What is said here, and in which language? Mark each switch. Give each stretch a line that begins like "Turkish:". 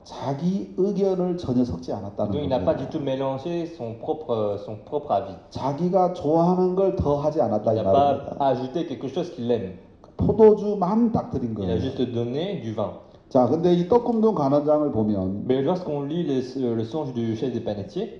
Korean: 자기 의견을 전혀 섞지 않았다는 거예요.
French: Donc il n'a pas du tout mélangé son propre avis.
Korean: 자기가 좋아하는 걸 더 하지 않았다 이 말입니다.
French: Il n'a pas ajouté quelque chose qu'il aime.
Korean: 포도주만 딱 드린 거예요.
French: Il a juste donné du vin.
Korean: 자, 근데 이 떡금동 관원장을 보면
French: Mais lorsqu'on lit le songe du chef des panetiers